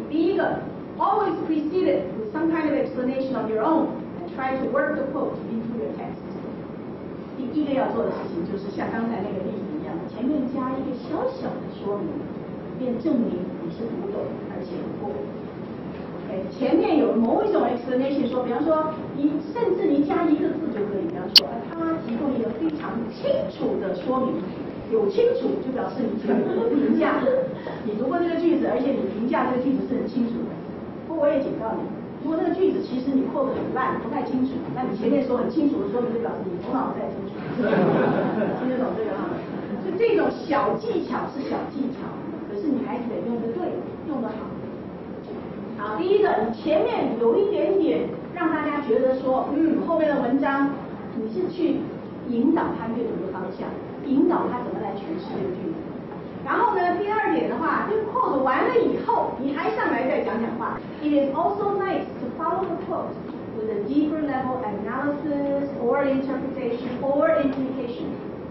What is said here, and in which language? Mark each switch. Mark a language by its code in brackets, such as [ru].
[zh] 第一个， [en] always preceded with some kind of explanation of your own and try to work the quote into your text。 [zh] 第一个要做的事情就是像刚才那个例子一样，前面加一个小小的说明，便证明你是读懂而且有过。前面有某一种 explanation， 说比方说你甚至你加一个字就可以，比方说他提供一个非常清楚的说明，有清楚就表示你全部的评价，你读过这个句子，而且你评价这个句子是很清楚的。不过我也警告你，如果这个句子其实你扣得很烂不太清楚，那你前面说很清楚的说明就表示你头脑不太清楚。听得懂这个吗？就这种小技巧是小技巧，可是你还是得用得对，用得好。好，第一个，你前面有一点点让大家觉得说，后面的文章你是去引导他阅读的方向，引导他怎么来诠释这个句子。然后呢，第二点的话，就 quote 完了以后，你还上来再讲讲话。 [en] It is also nice to follow the quote with a deeper level analysis or interpretation or implication。